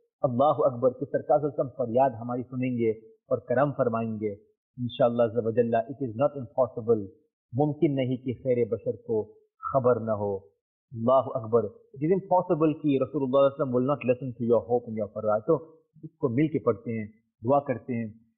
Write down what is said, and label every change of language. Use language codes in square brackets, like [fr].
[ur] اللہ اکبر کے سرکار صلی اللہ علیہ وسلم فریاد ہماری سنیں گے اور کرم فرمائیں گے انشاءاللہ عز و جل. [en] It is not impossible, [ur] ممکن نہیں کہ خیر بشر کو خبر نہ ہو. اللہ اکبر. [en] It is impossible [ur] کہ رسول اللہ صلی اللہ علیہ وسلم [en] will not listen to your hope and your prayer. [ur] تو اس کو مل کے پڑھتے ہیں, دعا کرتے ہیں.